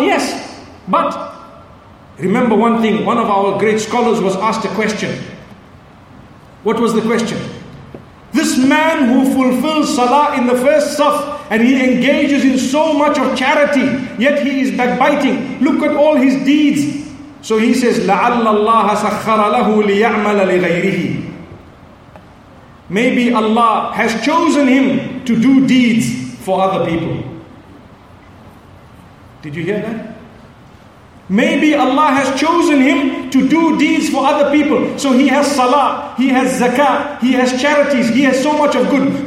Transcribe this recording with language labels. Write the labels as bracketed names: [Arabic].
[English] Yes, but remember one thing. One of our great scholars was asked a question. What was the question? This man who fulfills salah in the first saf and he engages in so much of charity, yet he is backbiting. Look at all his deeds. So he says, [Arabic] لَعَلَّ اللَّهَ سَخَّرَ لَهُ لِيَعْمَلَ لِغَيْرِهِ. [English] Maybe Allah has chosen him to do deeds for other people. Did you hear that? Maybe Allah has chosen him to do deeds for other people. So he has salah, he has zakah, he has charities, he has so much of good.